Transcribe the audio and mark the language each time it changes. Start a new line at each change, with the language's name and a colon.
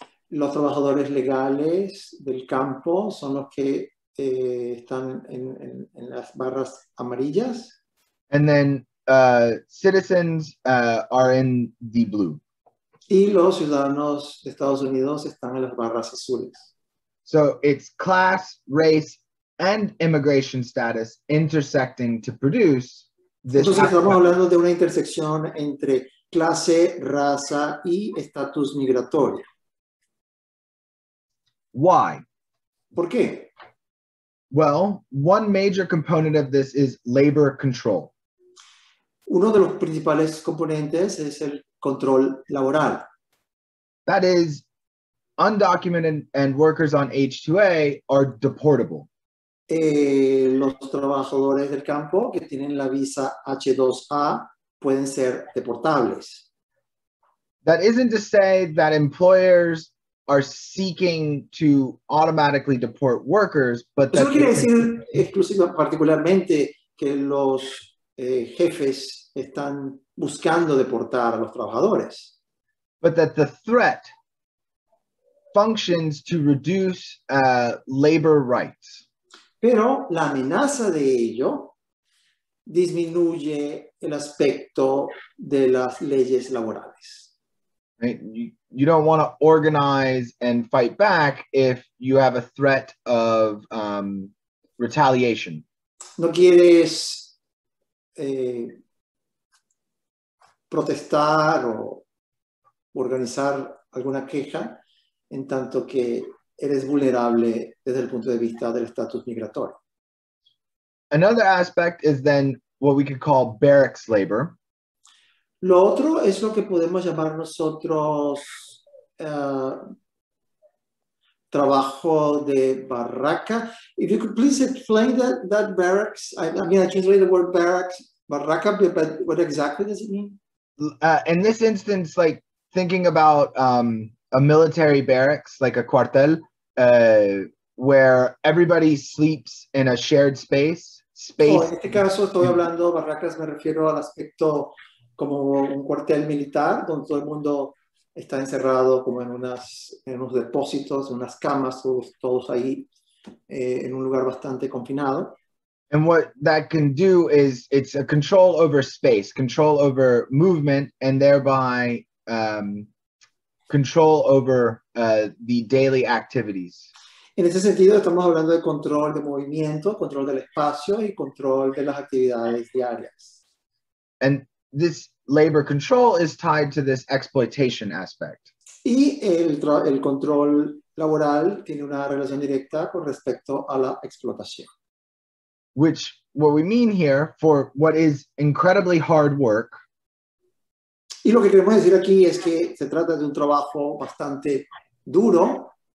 Spanish: Los trabajadores legales del campo son los que están en las barras amarillas.
English: And then citizens are in the blue.
Spanish: Y los ciudadanos de Estados Unidos están en las barras azules.
English: So it's class, race, and immigration status intersecting to produce.
Spanish: Entonces estamos hablando de una intersección entre clase, raza y estatus migratorio.
English: Why?
Spanish: ¿Por qué?
English: Well, one major component of this is labor control.
Spanish: Uno de los principales componentes es el control laboral.
English: That is, undocumented and workers on H-2A are deportable.
Spanish: Los trabajadores del campo que tienen la visa H-2A pueden ser deportables.
English: That isn't to say that employers are seeking to automatically deport workers, but
Spanish: eso quiere decir exclusivamente, particularmente, que los jefes están buscando deportar a los trabajadores.
English: But that the threat functions to reduce labor rights.
Spanish: Pero la amenaza de ello disminuye el aspecto de las leyes laborales.
English: Right? You don't want to organize and fight back if you have a threat of retaliation.
Spanish: No quieres protestar o organizar alguna queja en tanto que eres vulnerable desde el punto de vista del estatus migratorio.
English: Another aspect is then what we could call barracks labor.
Spanish: Lo otro es lo que podemos llamar nosotros trabajo de barraca.
English: If you could please explain that barracks, I mean, I translate the word barracks, barraca, but what exactly does it mean? In this instance, like thinking about a military barracks, like a cuartel, where everybody sleeps in a shared space.
Spanish: En este caso estoy hablando barracas, me refiero al aspecto como un cuartel militar, donde todo el mundo está encerrado como en unos depósitos, en unas camas, todos ahí, en un lugar bastante confinado.
English: And what that can do is, it's a control over space, control over movement, and thereby control over the daily activities.
Spanish: En ese sentido, estamos hablando de control de movimiento, control del espacio y control de las actividades diarias.
English: And this labor control is tied to this exploitation aspect.
Spanish: Y el control laboral tiene una relación directa con respecto a la explotación.
English: Which, what we mean here, for what is incredibly hard work.
Spanish: Y lo que queremos decir aquí es que se trata de un trabajo bastante duro.